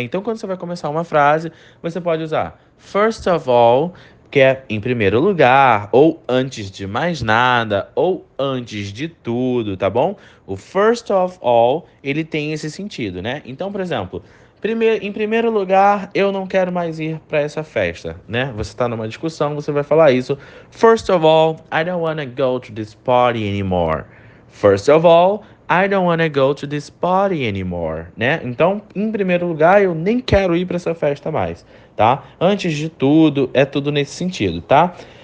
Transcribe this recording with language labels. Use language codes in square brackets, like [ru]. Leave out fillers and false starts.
[pt] Então, quando você vai começar uma frase, você pode usar first of all, que é em primeiro lugar, ou antes de mais nada, ou antes de tudo, tá bom? O first of all, ele tem esse sentido, né? Então, por exemplo, em primeiro lugar, eu não quero mais ir para essa festa, né? Você está numa discussão, você vai falar isso. [en] First of all, I don't wanna go to this party anymore. First of all, I don't wanna go to this party anymore, né? [pt] Então, em primeiro lugar, eu nem quero ir para essa festa mais, tá? Antes de tudo, é tudo nesse sentido, tá?